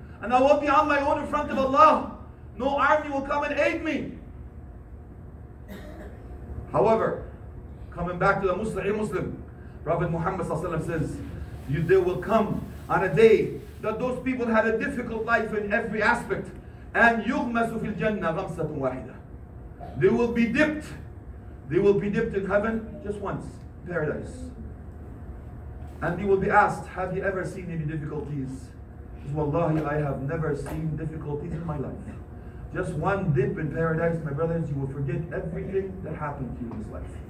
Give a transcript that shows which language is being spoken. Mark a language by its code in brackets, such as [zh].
[en] And I will be on my own in front of Allah. No army will come and aid me. However, coming back to the Muslim, Prophet Muhammad sallallahu alaihi wasallam says, there will come on a day that those people had a difficult life in every aspect. And [ar] يُغْمَسُ فِي الْجَنَّةِ غَمْسَةٌ وَاحِدَةٌ. [en] They will be dipped. They will be dipped in heaven just once. Paradise. And they will be asked, have you ever seen any difficulties? Wallahi, I have never seen difficulties in my life. Just one dip in paradise, my brothers, you will forget everything that happened to you in this life.